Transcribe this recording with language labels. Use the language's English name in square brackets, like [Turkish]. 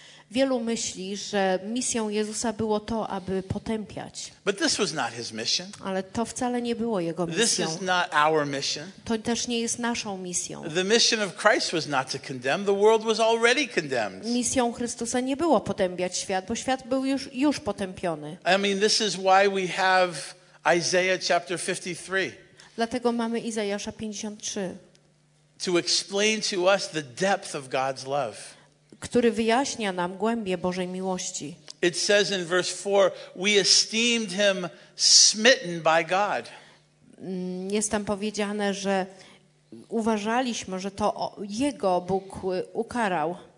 [Polish] Wielu myśli, że misją Jezusa było to, aby potępiać. [English] But this was not his mission. [Polish] Ale to wcale nie było jego misją. [English] This is not our mission. [Polish] To też nie jest naszą misją. [English] The mission of Christ was not to condemn. The world was already condemned. [Polish] Misją Chrystusa nie było potępiać świat, bo świat był już potępiony. [English] I mean, this is why we have Isaiah chapter 53. [Polish] Dlatego mamy Izajasza 53. [English] To explain to us the depth of God's love. [Polish] Który wyjaśnia nam głębię Bożej miłości. [English] It says in verse 4, we esteemed him smitten by God. [Polish] Jest tam powiedziane, że uważaliśmy, że to jego Bóg ukarał.